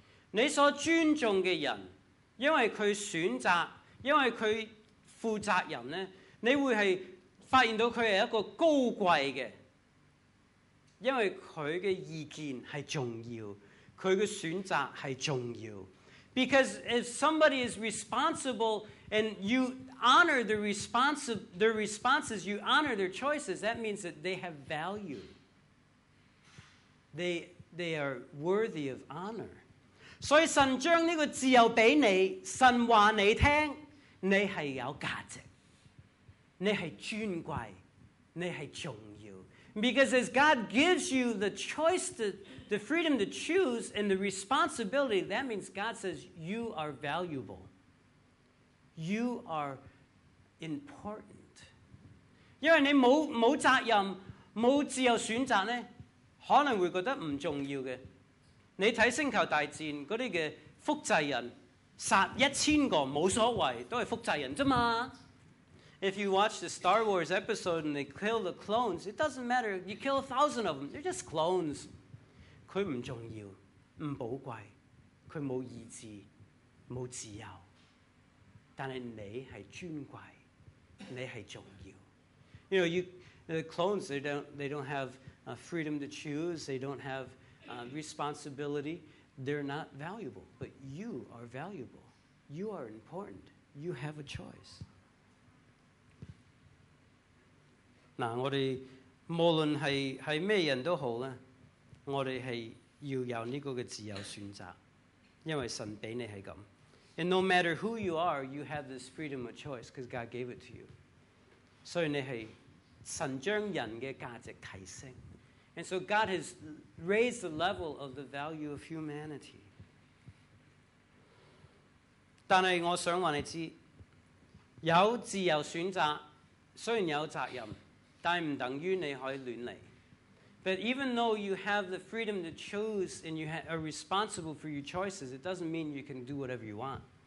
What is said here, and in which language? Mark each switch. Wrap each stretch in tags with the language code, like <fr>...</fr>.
<yue>你所尊重嘅人，因為佢選擇，因為佢負責任咧，你會係。發現到佢係一個高貴嘅，因為佢嘅意見係重要，佢嘅選擇係重要。</yue> <en>Because if somebody is responsible and you honor their responses, you honor their choices, that means that they have value. They are worthy of honor.</en> <yue>所以神將呢個自由俾你，神話你聽，你係有價值。你係尊貴，你係重要。</yue> <en>Because as God gives you the choice, the freedom to choose, and the responsibility, that means God says you are valuable. You are important.</en> <yue>因為你冇責任，冇自由選擇咧，可能會覺得唔重要嘅。你睇《星球大戰》嗰啲嘅複製人，殺一千個冇所謂，都係複製人啫嘛。</yue> <en>If you watch the Star Wars episode and they kill the clones, it doesn't matter. You kill 1,000 of them, they're just clones.</en> <yue>佢唔重要，唔寶貴，佢冇意志，冇自由。但係你係尊貴，你係重要。</yue> <en>You know, the clones, they don't have freedom to choose. They don't have responsibility. They're not valuable. But you are valuable. You are important. You have a choice.</en> <yue>嗱，我哋無論係咩人都好咧，我哋係要有呢個嘅自由選擇，因為神俾你係咁。</yue> <en>And no matter who you are, you have this freedom of choice because God gave it to you.</en> <yue>所以你係神將人嘅價值提升。</yue> <en>And so God has raised the level of the value of humanity.</en> <yue>但係我想話你知，有自由選擇，雖然有責任。但唔等於你可以亂嚟。</yue> <en>But even though you have the freedom to choose and you are responsible for your choices, it doesn't mean you can do whatever you want.</en>